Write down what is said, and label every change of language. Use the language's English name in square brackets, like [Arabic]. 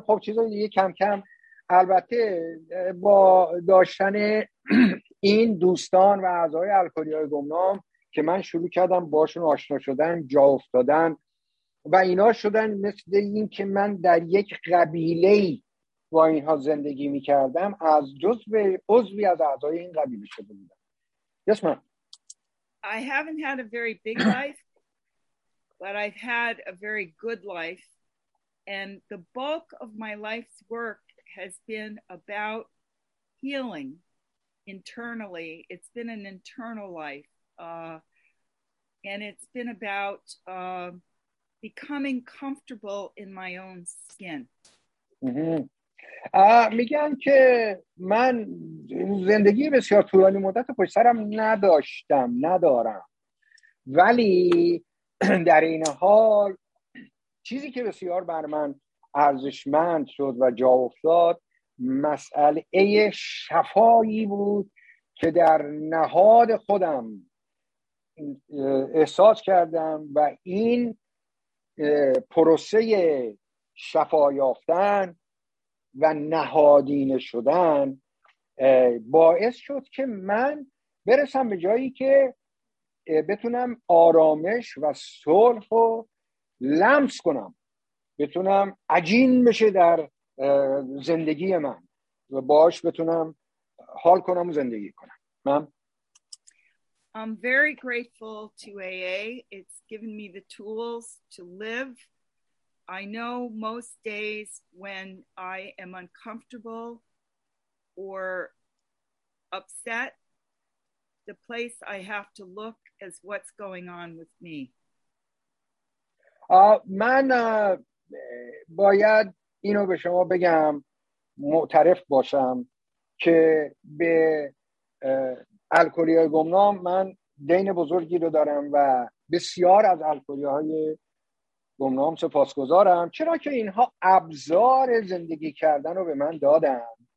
[Persian] خب چیزای دیگه کم کم، البته با داشتن این دوستان و اعضای الکلی‌های گمنام که من شروع کردم باشون آشنا شدن، جا افتادن و اینا شدن مثل این که من در یک قبیله‌ای با اینها زندگی می‌کردم، از عضوی از اعضای این قبیله شده بودم. [English] Yes, ma'am. I haven't had a very big life, but I've had a very good life, and the bulk of my life's work has been about healing internally. It's been an internal life, and it's been about becoming comfortable in my own skin. [Persian] میگن که من زندگی بسیار طولانی مدت پشت سرم نداشتم، ندارم، ولی در این حال چیزی که بسیار بر من ارزشمند شد و جا افتاد مسئله شفایی بود که در نهاد خودم احساس کردم و این پروسه شفا یافتن و نهادینه شدن باعث شد که من برسم به جایی که بتونم آرامش و صلح رو لمس کنم، بتونم عجین بشه در زندگی من و باش بتونم حال کنم و زندگی کنم. من [English] I'm very grateful to AA. It's given me the tools to live. I know most days when I am uncomfortable or upset, the place I have to look is what's going on with me. [Persian] من باید اینو به شما بگم، معترف باشم که به الکلی‌های گمنام من دین بزرگی رو دارم و بسیار از الکلی‌های گمنام سپاسگزارم، چرا که اینها ابزار زندگی کردن رو به من دادن.